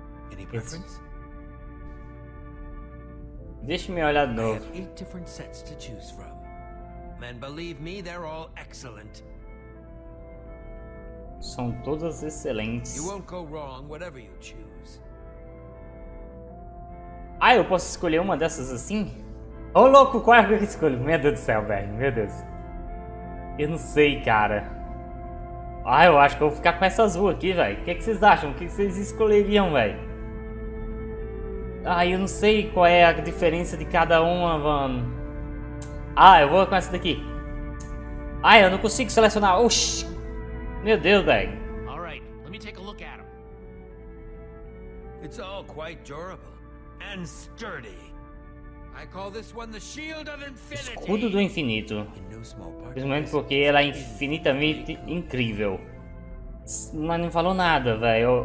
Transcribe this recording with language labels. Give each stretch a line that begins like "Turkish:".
English: Any preference?
Portuguese: Deixa-me olhar de novo.
English: I have 8 different sets to choose from. And believe me, they're all excellent.
Portuguese: São todas excelentes.
English: You won't go wrong, whatever you choose.
Portuguese: Ah, eu posso escolher uma dessas assim? Ô, louco, qual é a que eu escolho? Meu Deus do céu, velho. Meu Deus. Eu não sei, cara. Ah, eu acho que eu vou ficar com essa azul aqui, velho. O que vocês acham? O que vocês escolheriam, velho? Ai, eu não sei qual é a diferença de cada uma, mano. Ah, eu vou com essa daqui. Ai, eu não consigo selecionar. Oxi! Meu Deus, velho.
English: All right, let me take a look at them. It's all quite durable and sturdy. I call this one the Shield of Infinity.
Portuguese: Escudo do infinito. Principalmente porque ela é infinitamente incrível. Mas não falou nada, velho.